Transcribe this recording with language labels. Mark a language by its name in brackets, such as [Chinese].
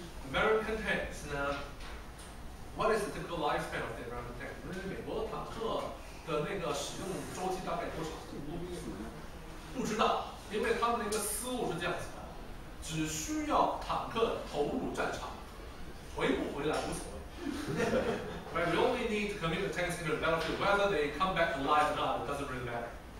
[English] American tanks 呢 ？What is the typical lifespan of the American tank？ [Chinese] 那美国坦克的那个使用周期大概多少？不知道。因为他们的一个思路是这样子的，只需要坦克投入战场，回不回来无所谓。 [English] Right, we only need to commit the tanks into the battlefield. Whether they come back alive or not, it doesn't really matter.